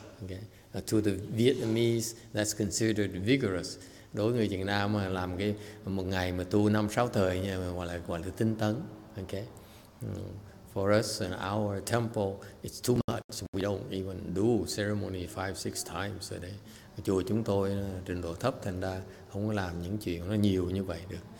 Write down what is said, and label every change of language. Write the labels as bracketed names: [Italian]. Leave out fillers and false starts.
[English] Okay, to the Vietnamese that's considered vigorous. [Vietnamese] Đối với người Việt Nam mà làm cái một ngày mà tu năm sáu thời như vậy gọi là tinh tấn. [English] Okay, for us in our temple it's too much. We don't even do ceremony 5-6 times a day. [Vietnamese] Chùa chúng tôi trình độ thấp thành ra không có làm những chuyện nó nhiều như vậy được.